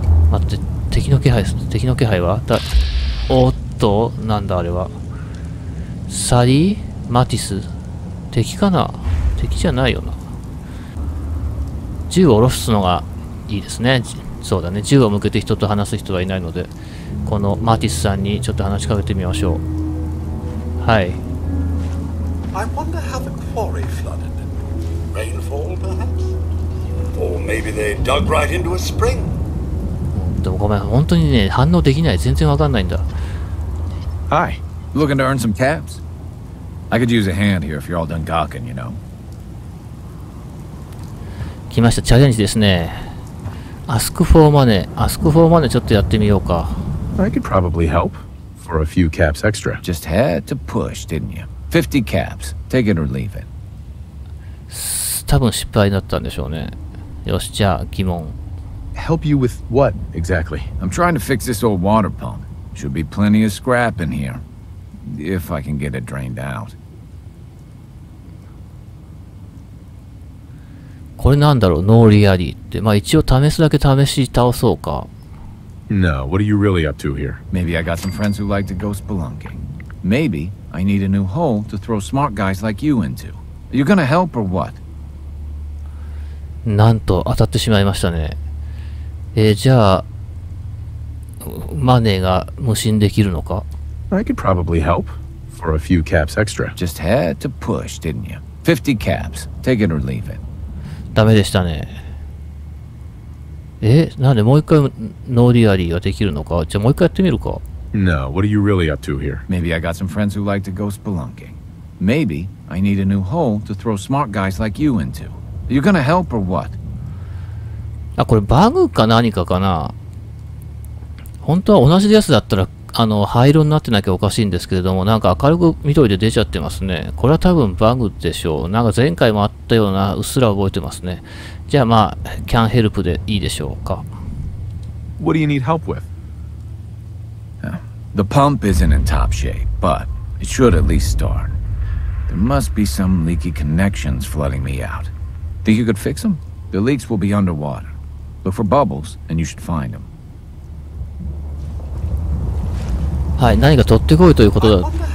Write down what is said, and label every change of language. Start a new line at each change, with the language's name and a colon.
Japanese: 待って、敵の気配は？おっと、なんだあれは。サリー？マティス？敵かな？敵じゃないよな。銃を下ろすのがいいですね。そうだね。銃を向けて人と話す人はいないので、このマティスさんにちょっと話しかけてみましょう。はい。
English: I wonder how the quarry flooded. Rainfall, perhaps? Or maybe they dug right into a spring.
Japanese: でもごめん、本当にね、反応できない。全然わかんないんだ。
English: Hi, looking to earn some caps? I could use a hand here if you're all done gawking, you know.
Japanese: 来ました、チャレンジですね。
English: Ask for money
Japanese: ちょっとやってみようか。
English: I could probably help for a few caps extra. Just had to push, didn't you? 50 caps, take it or leave it.
Japanese: 多分失敗だったんでしょうね。よし、じゃあ疑問。
English: Help you with what exactly? I'm trying to fix this old water pump. Should be plenty of scrap in here. If I can get it drained out.
Japanese: これなんだろう？
English: No really
Japanese: って。まあ一応試すだけ試し倒そうか。
English: No, what are you really up to here? Maybe I got some friends who like to go spelunking. Maybe I need a new hole to throw smart guys like you into. Are you gonna help or what?
Japanese: なんと当たってしまいましたね。じゃあマネーが無心できるのか。
English: I could probably help for a few caps extra. Just had to push, didn't you? 50 caps. Take it or leave it.
Japanese: ダメでしたね。なんでもう一回ノーリアリーができるのか。じゃあもう一回やってみるか。
English: No, what are you really up to here? Maybe I got some friends who like to go spelunking. Maybe I need a new hole to throw smart guys like you into. Are you gonna help or what?
Japanese: あ、これバグか何かかな。本当は同じやつだったら、灰色になってなきゃおかしいんですけれども、なんか明るく緑で出ちゃってますね。これは多分バグでしょう。なんか前回もあったような、うっすら覚えてますね。じゃあまあ、キャンヘルプでいいでしょうか。
English: What do you need help with? The pump isn't in top shape, but it should at least start. There must be some leaky connections flooding me out. Think you could fix them? The leaks will be underwater.Look for bubbles, and you should find them.
Japanese: はい、何か取ってこいということだ。